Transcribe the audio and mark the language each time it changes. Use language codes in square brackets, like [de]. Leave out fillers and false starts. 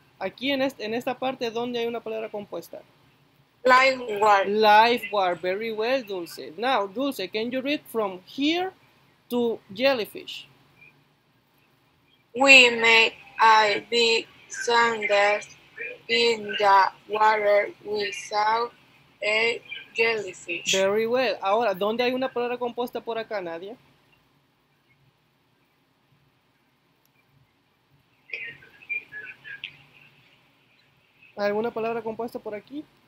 [es] Aquí en esta parte, ¿dónde hay una palabra compuesta? [en] Lifeguard. Lifeguard, very well, Dulce. Now, Dulce, can you read from here to jellyfish? We made a big sand dash in the water. We saw a jellyfish. Very well. [es] Ahora, ¿dónde hay una palabra compuesta por acá, Nadia? ¿Alguna palabra compuesta por aquí?